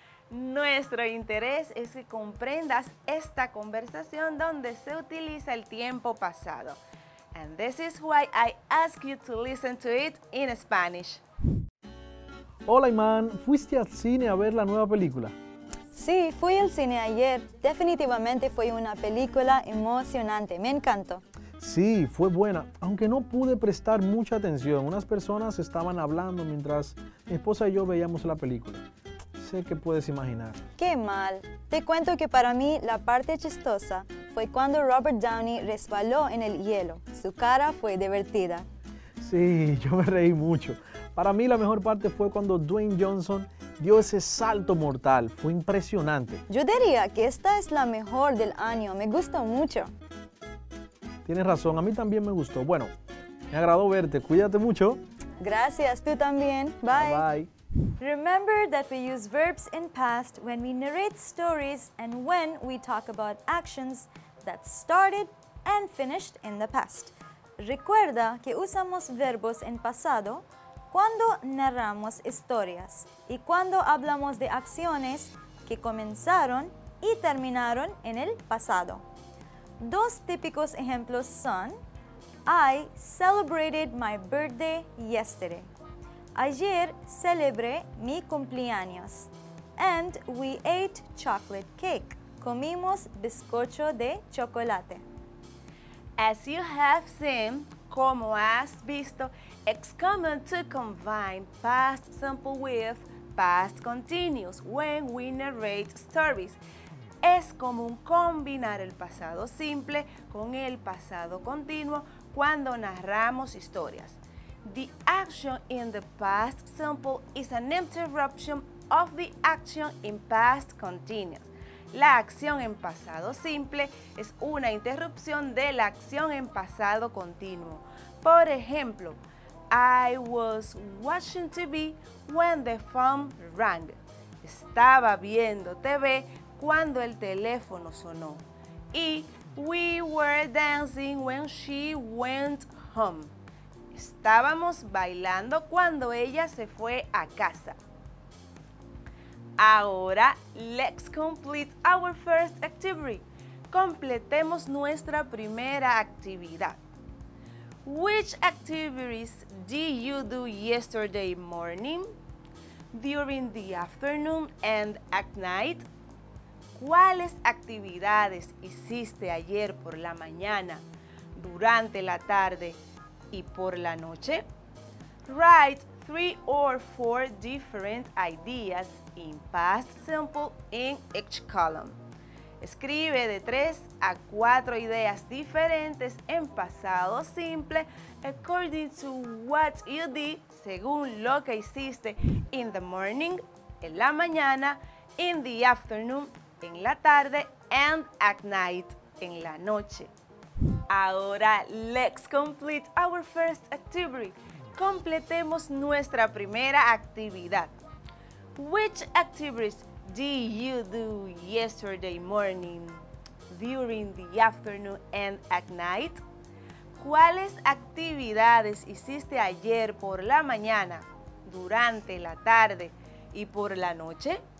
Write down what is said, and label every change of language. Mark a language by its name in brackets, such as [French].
[Spanish] Nuestro interés es que comprendas esta conversación donde se utiliza el tiempo pasado. [English] And this is why I ask you to listen to it in Spanish. [Spanish] Hola, Iman. ¿Fuiste al cine a ver la nueva película? Sí, fui al cine ayer. Definitivamente fue una película emocionante. Me encantó. Sí, fue buena, aunque no pude prestar mucha atención. Unas personas estaban hablando mientras mi esposa y yo veíamos la película. Sé que puedes imaginar. ¡Qué mal! Te cuento que para mí la parte chistosa fue cuando Robert Downey resbaló en el hielo. Su cara fue divertida. Sí, yo me reí mucho. Para mí la mejor parte fue cuando Dwayne Johnson dio ese salto mortal. Fue impresionante. Yo diría que esta es la mejor del año. Me gustó mucho. Tienes razón, a mí también me gustó. Bueno, me agradó verte. Cuídate mucho. Gracias, tú también. Bye. [English] Bye. Remember that we use verbs in past when we narrate stories and when we talk about actions that started and finished in the past. [Spanish] Recuerda que usamos verbos en pasado cuando narramos historias y cuando hablamos de acciones que comenzaron y terminaron en el pasado. Dos típicos ejemplos son: [English] I celebrated my birthday yesterday. [Spanish] Ayer celebré mi cumpleaños. [English] And we ate chocolate cake. [Spanish] Comimos bizcocho de chocolate. [English] As you have seen, [Spanish] como has visto, [English] it's common to combine past simple with past continuous when we narrate stories. [Spanish] Es común combinar el pasado simple con el pasado continuo cuando narramos historias. [English] The action in the past simple is an interruption of the action in past continuous. [Spanish] La acción en pasado simple es una interrupción de la acción en pasado continuo. Por ejemplo, [English] I was watching TV when the phone rang. [Spanish] Estaba viendo TV cuando el teléfono sonó. [English] Y we were dancing when she went home. [Spanish] Estábamos bailando cuando ella se fue a casa. [English] Ahora, let's complete our first activity. [Spanish] Completemos nuestra primera actividad. [English] Which activities did you do yesterday morning, during the afternoon, and at night? [Spanish] ¿Cuáles actividades hiciste ayer por la mañana, durante la tarde y por la noche? [English] Write 3 or 4 different ideas in past simple in each column. [Spanish] Escribe de 3 a 4 ideas diferentes en pasado simple [English] according to what you did, [Spanish] según lo que hiciste [English] in the morning, [Spanish] en la mañana, [English] in the afternoon, [Spanish] en la tarde, [English] and at night, [Spanish] en la noche. [English] Ahora, let's complete our first activity. [Spanish] Completemos nuestra primera actividad. [English] Which activities did you do yesterday morning, during the afternoon, and at night? [Spanish] ¿Cuáles actividades hiciste ayer por la mañana, durante la tarde y por la noche?